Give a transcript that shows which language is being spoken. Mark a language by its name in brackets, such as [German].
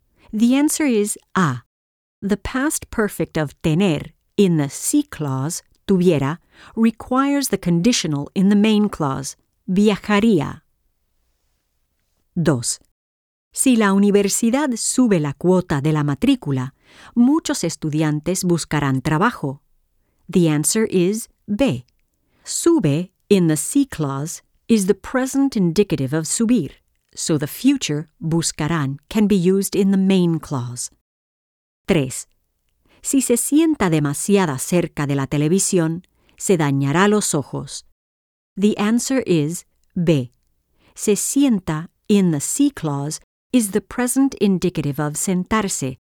[English] The answer is A. The past perfect of tener in the si clause, tuviera, requires the conditional in the main clause, viajaría. 2. [Spanish] Si la universidad sube la cuota de la matrícula, muchos estudiantes buscarán trabajo. [English] The answer is B. Sube in the si clause is the present indicative of subir. So the future, buscarán, can be used in the main clause. 3. [Spanish] Si se sienta demasiado cerca de la televisión, se dañará los ojos. [English] The answer is B. Se sienta in the si clause is the present indicative of sentarse.